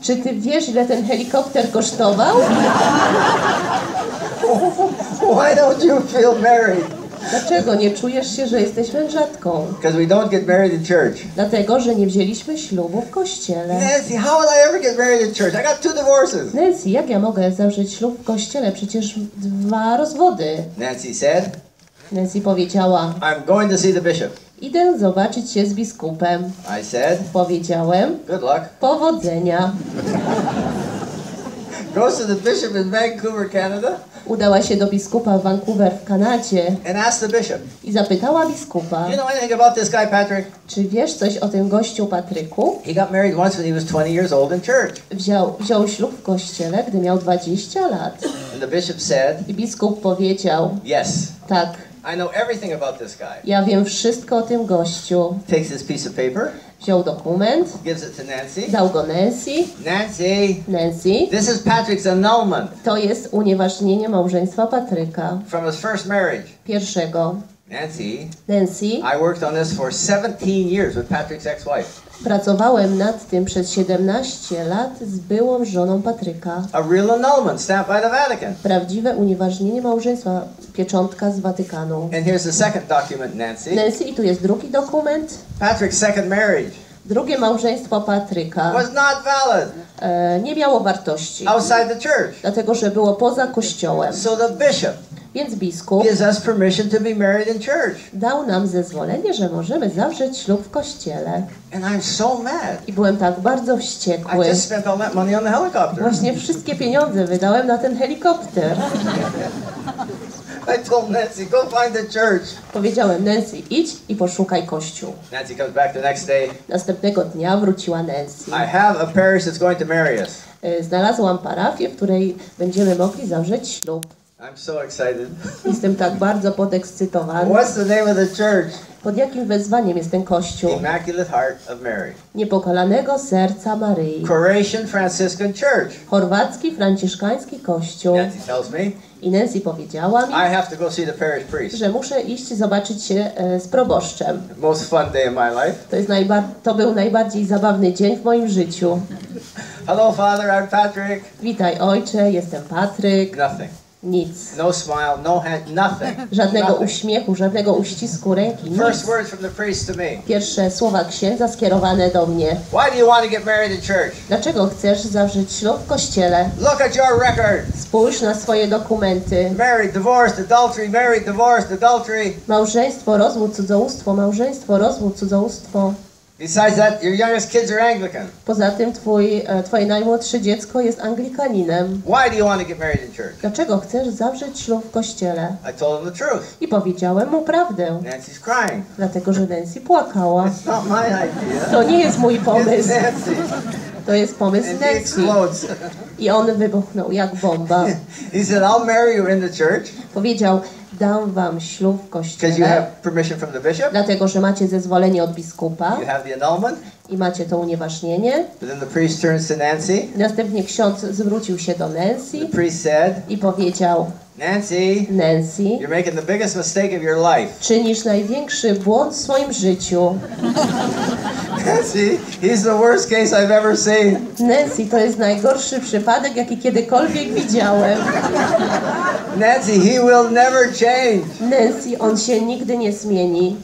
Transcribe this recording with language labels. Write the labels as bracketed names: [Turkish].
[Polish] Czy ty wiesz, ile ten helikopter kosztował? [English] Why don't you feel married? [Polish] Dlaczego nie czujesz się, że jesteś mężatką? [English] Because we don't get married in church. [Polish] Dlatego, że nie wzięliśmy ślubu w kościele. [English] Nancy, how will I ever get married in church? I got 2 divorces. [Polish] Nancy, jak ja mogę zawrzeć ślub w kościele? Przecież 2 rozwody. [English] Nancy said. [Polish] Nancy powiedziała. [English] I'm going to see the bishop. [Polish] Idę zobaczyć się z biskupem. [English] I said. [Polish] Powiedziałem. [English] Good luck. [Polish] Powodzenia. [English] Goes to the bishop in Vancouver, Canada. [Polish] Udała się do biskupa w Vancouver w Kanadzie. [English] And asked the bishop. [Polish] I zapytała biskupa. [English] You know anything about this guy, Patrick? [Polish] Czy wiesz coś o tym gościu Patryku? [English] He got married once when he was 20 years old in church. [Polish] Wziął ślub w kościele, gdy miał 20 lat. [English] And the bishop said. [Polish] I biskup powiedział. [English] Yes. [Polish] Tak. [English] I know everything about this guy. [Polish] Ja wiem wszystko o tym gościu. [English] Takes this piece of paper. [Polish] Wziął dokument. [English] Gives it to Nancy. [Polish] Dał go Nancy. [English] Nancy. [Polish] Nancy. [English] This is Patrick's annulment. [Polish] To jest unieważnienie małżeństwa Patryka. [English] From his first marriage. [Polish] Pierwszego. [English] Nancy. [Polish] Nancy. [English] I worked on this for 17 years with Patrick's ex-wife. [Polish] Pracowałem nad tym przez 17 lat z byłą żoną Patryka. [English] A real annulment stamped by the Vatican. [Polish] Prawdziwe unieważnienie małżeństwa, pieczątka z Watykanu. [English] And here's the second document, Nancy. [Polish] Nancy, i tu jest drugi dokument. [English] Patrick's second marriage. [Polish] Drugie małżeństwo Patryka [English] was not valid. [Polish] Nie miało wartości. [English] Outside the church. [Polish] Dlatego, że było poza kościołem. [English] So the bishop. [Polish] Więc biskup [English] gives us permission to be married in church. [Polish] Dał nam zezwolenie, że możemy zawrzeć ślub w kościele. [English] And I'm so mad. [Polish] I byłem tak bardzo wściekły. [English] I just spent all that money on the helicopter. [Polish] Właśnie wszystkie pieniądze wydałem na ten helikopter. [English] I told Nancy, go find the church. [Polish] Powiedziałem Nancy, idź i poszukaj kościół. [English] Nancy comes back the next day. [Polish] Następnego dnia wróciła Nancy. [English] I have a parish that's going to marry us. [Polish] Znalazłam parafię, w której będziemy mogli zawrzeć ślub. [English] I'm so excited. [Polish] Jestem tak bardzo podekscytowany. [English] What's the name of the church? [Polish] Pod jakim wezwaniem jest ten kościół? [English] Immaculate Heart of Mary. [Polish] Niepokalanego serca Maryi. [English] Croatian Franciscan Church. [Polish] Chorwacki franciszkański kościół. [English] Nancy tells me. [Polish] I Nancy powiedziała mi, [English] I have to go see the parish priest. [Polish] Że muszę iść zobaczyć się z proboszczem. [English] Most fun day of my life. [Polish] To był najbardziej zabawny dzień w moim życiu. [English] Hello, Father, I'm Patrick. [Polish] Witaj, ojcze, jestem Patryk. [English] Nothing. [Polish] Nic. [English] No smile, no hand, nothing. [Polish] Żadnego uśmiechu, żadnego uścisku ręki. Nic. [English] First words from the priest to me. [Polish] Pierwsze słowa księdza skierowane do mnie. [English] Why do you want to get married in church? [Polish] Dlaczego chcesz zawrzeć ślub w kościele? [English] Look at your record. [Polish] Spójrz na swoje dokumenty. [English] Married, divorced, adultery, married, divorced, adultery. [Polish] Małżeństwo, rozwód, cudzołóstwo, małżeństwo, rozwód, cudzołóstwo. [English] Besides that, your youngest kids are Anglican. [Polish] Poza tym twoje najmłodsze dziecko jest Anglikaninem. [English] Why do you want to get married in church? [Polish] Dlaczego chcesz zawrzeć ślub w kościele? [English] I told him the truth. [Polish] I powiedziałem mu prawdę. [English] Nancy's crying. [Polish] Dlatego, że Nancy płakała. [English] It's not my idea. [Polish] To nie jest mój pomysł. [English] It's Nancy. [Polish] To jest pomysł [English] Nancy. And he explodes. [Polish] I on wybuchnął jak bomba. [English] He said, I'll marry you in the church. [Polish] Powiedział, dam wam ślub w kościele. [English] Because you have permission from the bishop. [Polish] Dlatego, że macie zezwolenie od biskupa. [English] You have the annulment. [Polish] I macie to unieważnienie. [English] But then the priest turns to Nancy. [Polish] Następnie ksiądz zwrócił się do Nancy. [English] The priest said. [Polish] I powiedział, [English] Nancy, you're making the biggest mistake of your life. [Polish] Czynisz największy błąd w swoim życiu. [English] Nancy, he's the worst case I've ever seen. [Polish] Nancy, to jest najgorszy przypadek, jaki kiedykolwiek widziałem. [English] Nancy, he will never change. [Polish] Nancy, on się nigdy nie zmieni.